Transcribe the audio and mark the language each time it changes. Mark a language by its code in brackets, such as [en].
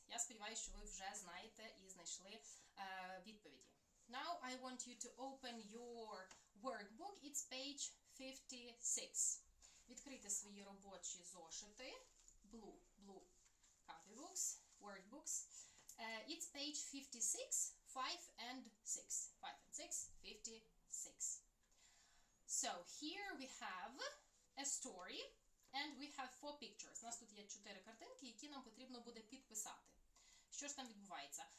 [uk] Я сподіваюся, що ви вже знаєте і знайшли відповіді. [en] Now, I want you to open your workbook. It's page 56. [uk] Відкрити свої робочі зошити. [en] Blue. Copy books, workbooks. It's page 56, 5 and 6. 5 and 6, 56. So, here we have a story and we have four pictures. [uk] У нас тут є чотири картинки, які нам потрібно буде підписати. Що ж там відбувається?